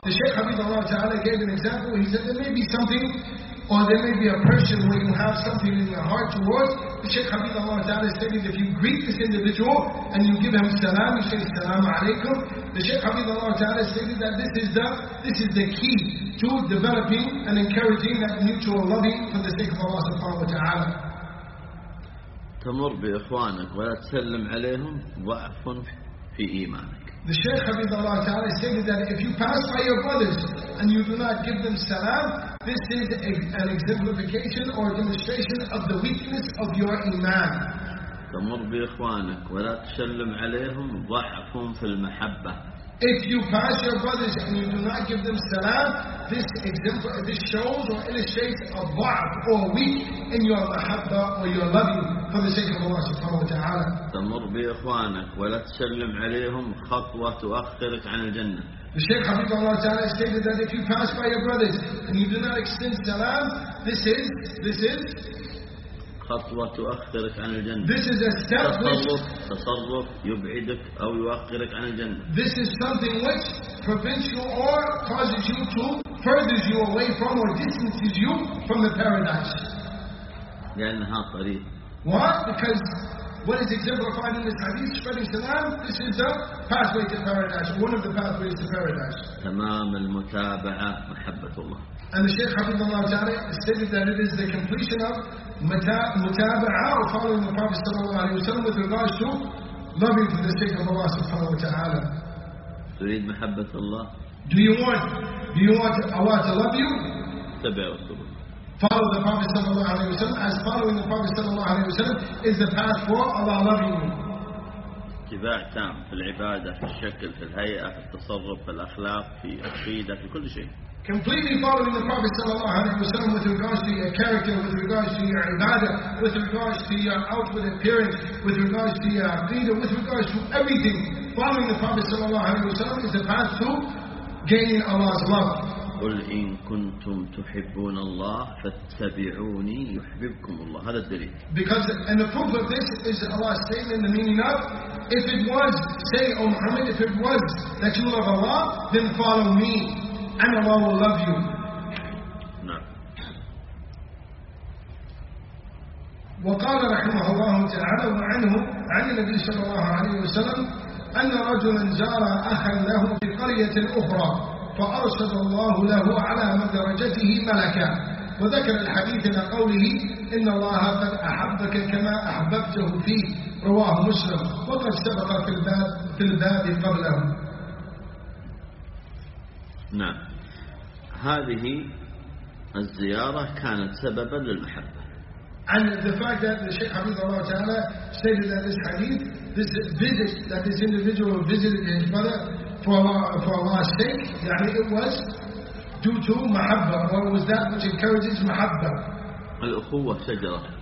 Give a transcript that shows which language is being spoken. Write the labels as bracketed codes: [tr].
[en] The Shaykh Hafidhullah Ta'ala gave an example. He said there may be something, or there may be a person where you have something in your heart towards. The Shaykh Hafidhullah Ta'ala stated if you greet this individual and you give him salam, you say salamu alaykum. The Shaykh Hafidhullah Ta'ala stated that this is the key to developing and encouraging that mutual loving for the sake of Allah subhanahu wa ta'ala. [ar] تمر بإخوانك ولا تسلم عليهم ضعف في إيمانك. [en] The Shaykh Hafidhullah Ta'ala stated that if you pass by your brothers and you do not give them salam, this is an exemplification or demonstration of the weakness of your iman. [ar] تمر بإخوانك ولا تسلم عليهم ضعف في المحبة. [en] If you pass your brothers and you do not give them salam, this shows or illustrates a ضعف or weak in your محبة or your loving for the sake of Allah subhanahu wa ta'ala. [ar] تمر بإخوانك ولا تسلم عليهم خطوة تؤخرك عن الجنة. [en] The Shaykh Hafidhullah Ta'ala stated that if you pass by your brothers and you do not extend salam, this is [ar] خطوة تؤخرك عن الجنة. [en] This is a step [ar] تصرف يبعدك أو يؤخرك عن الجنة. [en] This is something which prevents you or causes you to furthers you away from or distances you from the paradise. [ar] لأنها طريق. [en] What? Because what is exemplified in this hadith, spreading salam, this is the pathway to paradise, one of the pathways to paradise. [ar] تمام المتابعة محبة الله. [en] And the Shaykh Hafidhullah Ta'ala stated that it is the completion of mutaba'a or following the Prophet sallallahu alayhi wa sallam with regards to loving for the sake of Allah subhanahu wa ta'ala. [ar] تريد محبة الله. [en] Do you want Allah to love you? [ar] تبع رسوله. [en] Follow the Prophet sallallahu alayhi wa sallam, as following the Prophet sallallahu alayhi wa sallam is the path for Allah loving you. [ar] اتباع تام في العبادة في الشكل في الهيئة في التصرف في الأخلاق في العقيدة في كل شيء. [en] Completely following the Prophet sallallahu alaihi wasallam with regards to your character, with regards to your ibadah, with regards to your outward appearance, with regards to your aqidah, with regards to everything. Following the Prophet sallallahu alaihi wasallam is the path to gaining Allah's love. [ar] قل إن كنتم تحبون الله فاتبعوني يحببكم الله. هذا الدليل. [en] Because and the proof of this is Allah's statement, the meaning of if it was, say, O Muhammad, if it was that you love Allah, then follow me. And Allah will love you. [ar] وقال رحمه الله تعالى وعنه عن النبي صلى الله عليه وسلم أن رجلا زار أخا له في قرية أخرى فأرسل الله له على مدرجته ملكا. وذكر الحديث لقوله إن الله قد أحبك كما أحببته فيه رواه مسلم. وقد سبق في الباب قبله. نعم. هذه الزيارة كانت سببا للمحبة. [en] And the fact that the Shaykh Hafizullah Ta'ala stated that this hadith, this visit, that this individual visited his mother for Allah's sake, يعني it was due to mahabba, or was that which encourages mahabba. [ar] الأخوة شجرة.